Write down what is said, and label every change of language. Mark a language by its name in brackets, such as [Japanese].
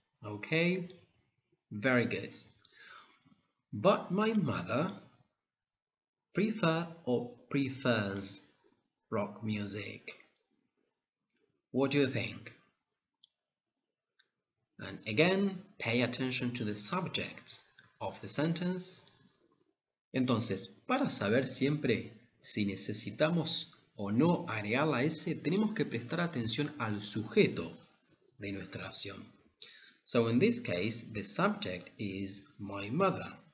[English] Okay, very good. But my mother prefers rock music. What do you think? And again, pay attention to the subject of the sentence. [Spanish] Entonces, para saber siempre si necesitamos o no agregar la S, tenemos que prestar atención al sujeto de nuestra oración. [English] So in this case, the subject is my mother.